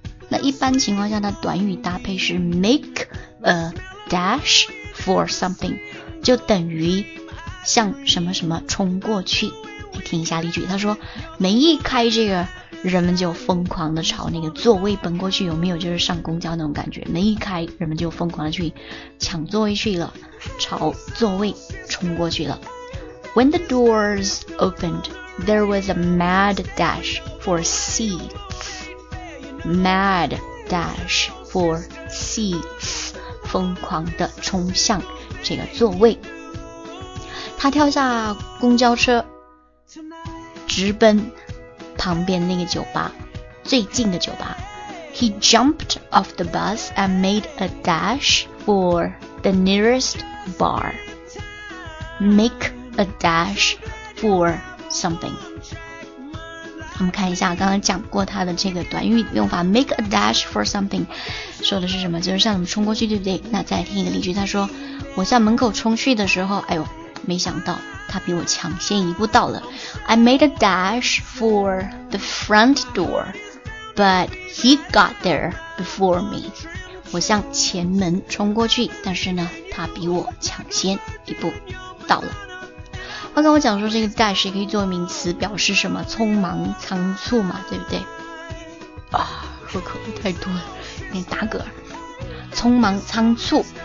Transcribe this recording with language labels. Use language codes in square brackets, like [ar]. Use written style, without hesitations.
[zh] 那一般情况下的短语搭配是 [en] make a dash for something， [zh] 就等于向什么什么冲过去。来听一下例句，他说梅姨开这个人们就疯狂的朝那个座位奔过去，有没有就是上公交那种感觉，门一开人们就疯狂的去抢座位去了，朝座位冲过去了。 [en] When the doors opened, there was a mad dash for seats. Mad dash for seats. [zh] 疯狂的冲向这个座位。他跳下公交车直奔旁边那个酒吧，最近的酒吧。 [en] He jumped off the bus and made a dash for the nearest bar. Make a dash for something. [zh] 我们看一下刚刚讲过他的这个短语用法， [en] make a dash for something [zh] 说的是什么，就是向你们冲过去，对不对？那再听一个例句，他说我向门口冲去的时候，哎呦没想到他比我抢先一步到了。 [en] I made a dash for the front door, but he got there before me. [zh] 我向前门冲过去，但是呢，他比我抢先一步到了。刚刚我讲说这个 dash 可以作为名词，表示什么？匆忙、仓促嘛，对不对？啊，喝口水太多了，有点打嗝。匆忙、仓促。